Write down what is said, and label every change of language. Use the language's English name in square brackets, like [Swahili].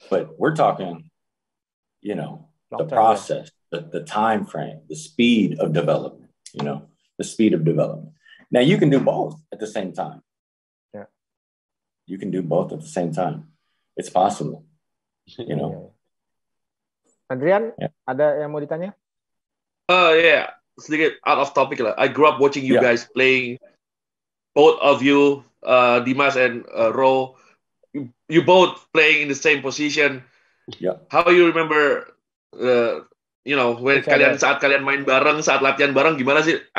[English] But we're talking, you know, long-term, the process. Yeah. The time frame, the speed of development, you know, the speed of development. Now you can do both at the same time. Yeah. You can do both at the same time. It's possible, you know. [Indonesian] Adrian, yeah, ada yang mau ditanya? [English] Yeah, [Indonesian] sedikit [English] out of topic [Indonesian] lah. [English] I grew up watching you guys playing, both of you, Dimas and Ro. You both playing in the same position. Yeah. How you remember you know, when [Indonesian] kalian, saat kalian main bareng, saat latihan bareng, gimana sih?